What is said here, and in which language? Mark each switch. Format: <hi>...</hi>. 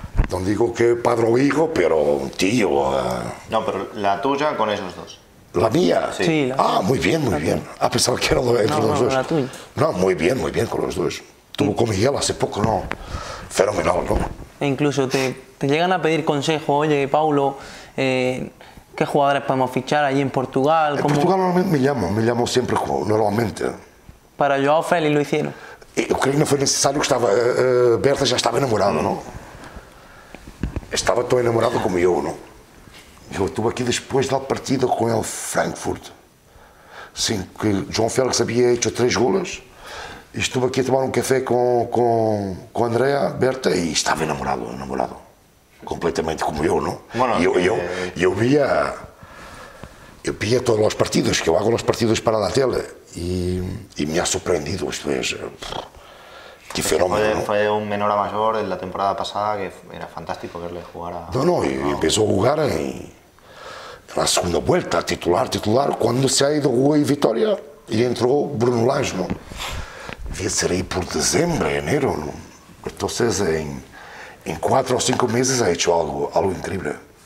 <pt>Não digo que padre ou hijo, pero um tio. Não,</pt> <es>pero la tuya</es> <pt>com esses dois. La mía? Sí. Sí, la ah, muito bem, muito bem. A pensar que era entre os dois. Não, muito bem com os dois. Tu com Miguel, hace pouco, não? Fenomenal, não?</pt> <es>E incluso te llegan a pedir consejo, oye, Paulo. ¿Qué jugadores podemos fichar allí en Portugal? ¿Cómo? En Portugal normalmente me llamo siempre normalmente. ¿Para Joao Félix lo hicieron? Yo creo que no fue necesario, que estaba, Berta ya estaba enamorado, ¿no? Estaba todo enamorado como yo, ¿no? Yo estuve aquí después del partido con el Frankfurt. Sí, que João Félix había hecho 3 goles. Y estuve aquí a tomar un café con Andrea, Berta, y estaba enamorado.</es> <pt>Completamente como eu, não? Bueno, eu via todos os partidos, que eu hago os partidos para a tele, e me ha surpreendido, isto é,</pt> <es>Qué fenómeno. Fue un menor a mayor en la temporada pasada, que era fantástico verle jugar a... Empezó a jugar en la segunda vuelta, titular. Cuando se ha ido Rui Vitória y entró Bruno Lage, ¿no? Debía ser ahí por diciembre, enero, ¿no? Entonces, en 4 o 5 meses ha hecho algo increíble.</es>